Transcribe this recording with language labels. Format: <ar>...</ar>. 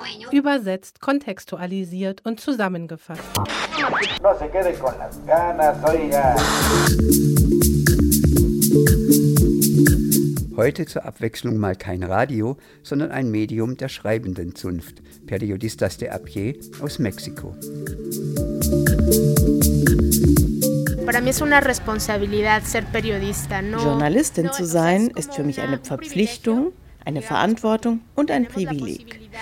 <de>Übersetzt, kontextualisiert und zusammengefasst.</de> <es>No se quede con las ganas, oiga.</es> <de>Heute zur Abwechslung mal kein Radio, sondern ein Medium der schreibenden Zunft. Periodistas de a pie aus Mexiko. Journalistin zu sein, ist für mich eine Verpflichtung, eine Verantwortung und ein Privileg.</de>